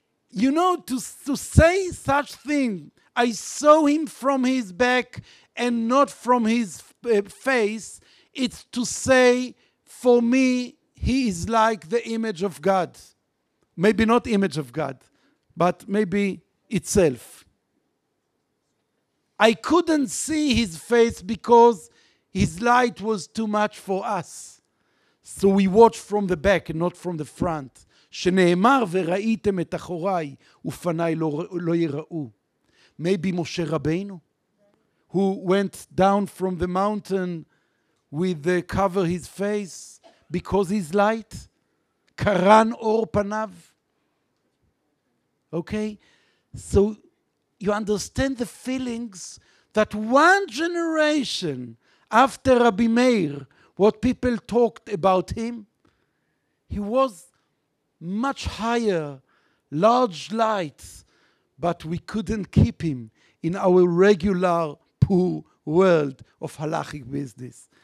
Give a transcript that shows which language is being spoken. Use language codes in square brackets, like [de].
[en] You know, to say such thing, I saw him from his back and not from his face, it's to say, for me, he is like the image of God. Maybe not image of God, but maybe itself. I couldn't see his face because his light was too much for us. So we watched from the back and not from the front. [he] שנאמר וראיתם את אחוריי ופניי לא יראו. [en] Maybe Moshe Rabbeinu, who went down from the mountain with the cover his face because his light, [he] קרן אור פניו. [en] Okay? So you understand the feelings that one generation after Rabbi Meir, what people talked about him, he was much higher, large light, but we couldn't keep him in our regular poor world of halachic business.